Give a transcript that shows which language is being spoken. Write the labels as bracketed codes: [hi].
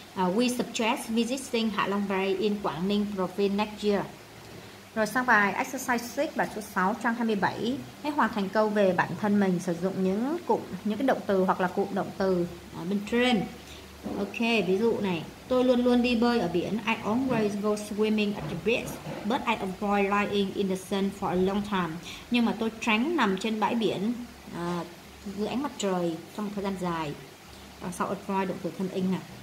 [en] We suggest visiting Hạ Long Bay in Quảng Ninh province next year. [vi] Rồi sang bài exercise 6, bài số 6, trang 27. Hãy hoàn thành câu về bản thân mình sử dụng những cái động từ hoặc là cụm động từ bên trên. Ok, ví dụ này, tôi luôn luôn đi bơi ở biển. [en] I always go swimming at the beach, but I avoid lying in the sun for a long time. [vi] Nhưng mà tôi tránh nằm trên bãi biển dưới ánh mặt trời trong một thời gian dài. Sau avoid động từ thân in nè.